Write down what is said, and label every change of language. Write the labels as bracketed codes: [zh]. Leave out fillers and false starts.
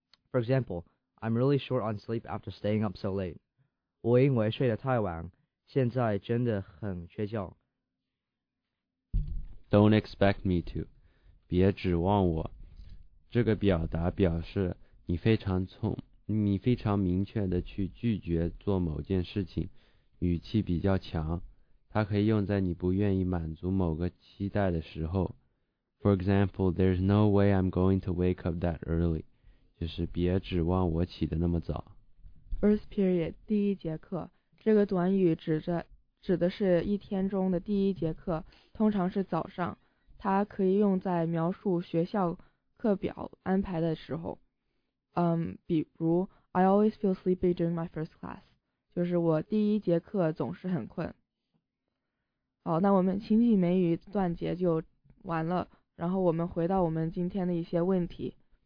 [en] For example, I'm really short on sleep after staying up so late。 [zh] 我因为睡得太晚，现在真的很缺觉。 [en] Don't expect me to， [zh] 别指望我。这个表达表示你非常聪你非常明确的去拒绝做某件事情，语气比较强，它可以用在你不愿意满足某个期待的时候。 [en] For example, there's no way I'm going to wake up that early. [zh] 就是别指望我起得那么早。 First period, 第一节课，这个短语指的是一天中的第一节课，通常是早上，它可以用在描述学校课表安排的时候。 [en] 比如 I always feel sleepy during my first class， [zh] 就是我第一节课总是很困。好，那我们情景美语段节就完了，然后我们回到我们今天的一些问题。